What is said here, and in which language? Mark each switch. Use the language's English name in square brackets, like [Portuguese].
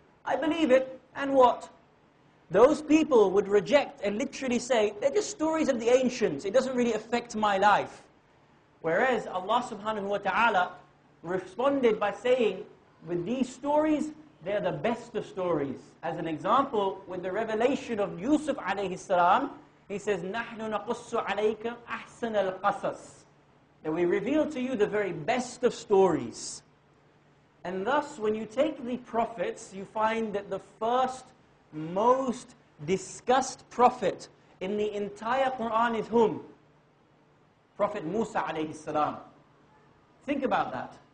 [English] I believe it, and what? Those people would reject and literally say, they're just stories of the ancients, it doesn't really affect my life. Whereas Allah subhanahu wa ta'ala responded by saying, with these stories, they are the best of stories. As an example, with the revelation of Yusuf alayhi salam, He says, [Arabic] نَحْنُ نَقُصُّ عَلَيْكَ أَحْسَنَ الْقَصَصِ. [English] That we reveal to you the very best of stories. And thus, when you take the prophets, you find that the first most discussed prophet in the entire Quran is whom? Prophet Musa alayhi salam. Think about that.